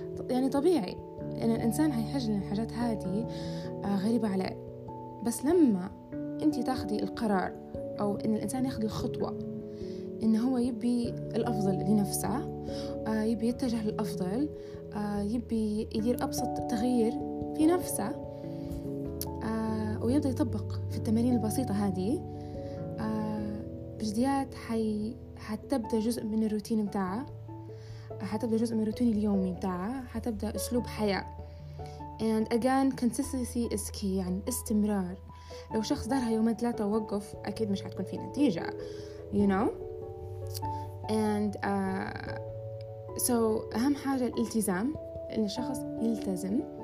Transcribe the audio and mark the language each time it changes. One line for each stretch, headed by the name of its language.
Arabic: يعني طبيعي أن الإنسان هيحج للحاجات هذه غريبة عليه، بس لما أنت تاخدي القرار أو أن الإنسان ياخد الخطوة أن هو يبي الأفضل لنفسه، يبي يتجه للأفضل، يبي يدير أبسط تغيير في نفسه، ويبدأ يطبق في التمارين البسيطة هذه، بجديات حتبدأ جزء من الروتين بتاعه، حتبدأ جزء من روتين اليومي بتاعه، حتبدأ أسلوب حياة.
English: And again, consistency is key،
Arabic: يعني استمرار. لو شخص دارها يومين 3 ووقف أكيد مش حتكون في نتيجة،
English: you know. And so
Arabic: أهم حاجة الالتزام، إن الشخص يلتزم.